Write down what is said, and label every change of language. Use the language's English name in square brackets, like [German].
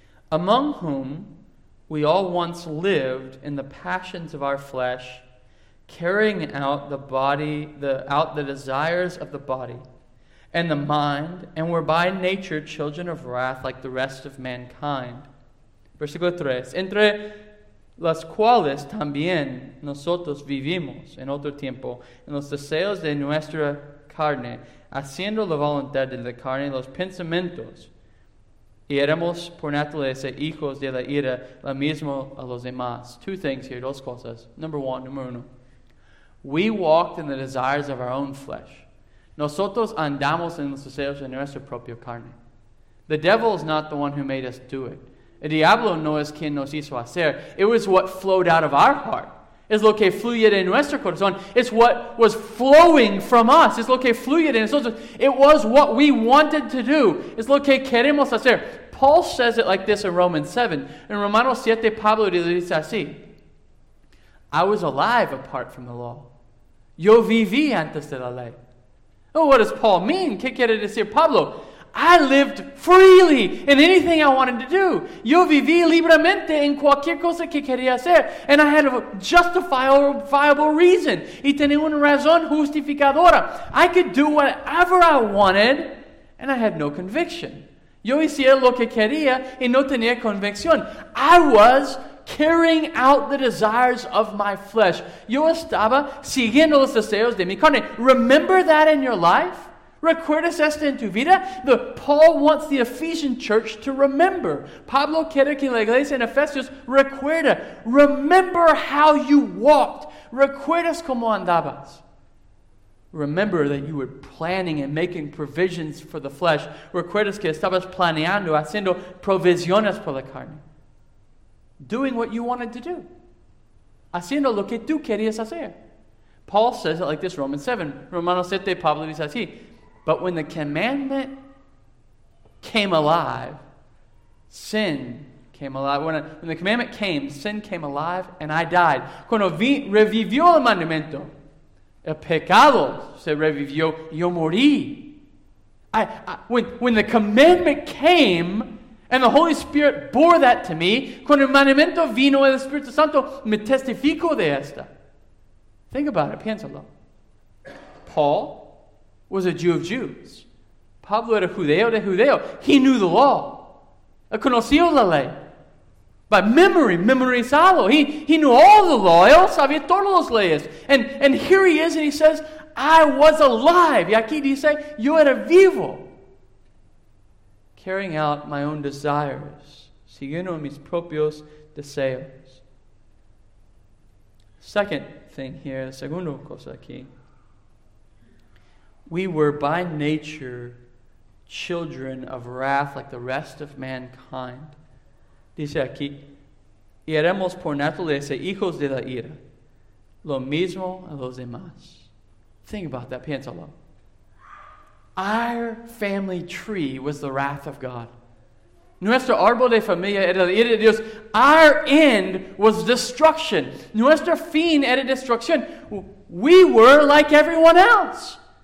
[English] Among whom we all once lived in the passions of our flesh, carrying out the body, the desires of the body and the mind, and were by nature children of wrath like the rest of mankind. [Spanish] Versículo 3. Entre las cuales también nosotros vivimos en otro tiempo, en los deseos de nuestra carne, haciendo la voluntad de la carne, los pensamientos, y éramos por naturaleza hijos de la ira, lo mismo a los demás. [English] Two things here, [Spanish] dos cosas. [English] Number one, [Spanish] número uno. [English] We walked in the desires of our own flesh. [Spanish] Nosotros andamos en los deseos de nuestra propia carne. [English] The devil is not the one who made us do it. [Spanish] El diablo no es quien nos hizo hacer. [English] It was what flowed out of our heart. [Spanish] Es lo que fluye de nuestro corazón. [English] It's what was flowing from us. [Spanish] Es lo que fluye de nosotros. [English] It was what we wanted to do. [Spanish] Es lo que queremos hacer. [English] Paul says it like this in Romans 7. [Spanish] In Romanos 7, Pablo dice así. [English] I was alive apart from the law. [Spanish] Yo viví antes de la ley. [English] Oh, what does Paul mean? [Spanish] ¿Qué quiere decir Pablo? [English] I lived freely in anything I wanted to do. [Spanish] Yo viví libremente en cualquier cosa que quería hacer. [English] And I had a justifiable reason. [Spanish] Y tenía una razón justificadora. [English] I could do whatever I wanted, and I had no conviction. [Spanish] Yo hacía lo que quería y no tenía convicción. [English] I was carrying out the desires of my flesh. [Spanish] Yo estaba siguiendo los deseos de mi carne. [English] Remember that in your life? [Spanish] Recuerdas esto en tu vida? [English] The Paul wants the Ephesian church to remember. [Spanish] Pablo quiere que la iglesia en Efesios recuerda. [English] Remember how you walked. [Spanish] Recuerdas cómo andabas. [English] Remember that you were planning and making provisions for the flesh. [Spanish] Recuerdas que estabas planeando, haciendo provisiones por la carne. [English] Doing what you wanted to do. [Spanish] Haciendo lo que tú querías hacer. [English] Paul says it like this, Romans 7. [Spanish] Romanos 7, Pablo dice así. [English] But when the commandment came alive, sin came alive. When the commandment came, sin came alive and I died. [Spanish] Cuando revivió el mandamiento, el pecado se revivió, yo morí. [English] When the commandment came and the Holy Spirit bore that to me, [Spanish] cuando el mandamiento vino el Espíritu Santo, me testifico de esta. [English] Think about it, [Spanish] piénsalo. [English] Paul was a Jew of Jews. [Spanish] Pablo era judeo de judeo. [English] He knew the law. [Spanish] Él conoció la ley. [English] By memory, memorizado. He knew all the law. [Spanish] Él sabía todas las leyes. [English] And here he is and he says, I was alive. [Spanish] Y aquí dice, yo era vivo. [English] Carrying out my own desires. [Spanish] Siguiendo mis propios deseos. [English] Second thing here, [Spanish] segundo cosa aquí. [English] We were by nature children of wrath like the rest of mankind. [Spanish] Dice aquí, y éramos por naturaleza hijos de la ira, lo mismo a los demás. [English] Think about that, [Spanish] piénsalo. [English] Our family tree was the wrath of God. [Spanish] Nuestro árbol de familia era la ira de Dios. [English] Our end was destruction. [Spanish] Nuestro fin era destrucción. [English] We were like everyone else.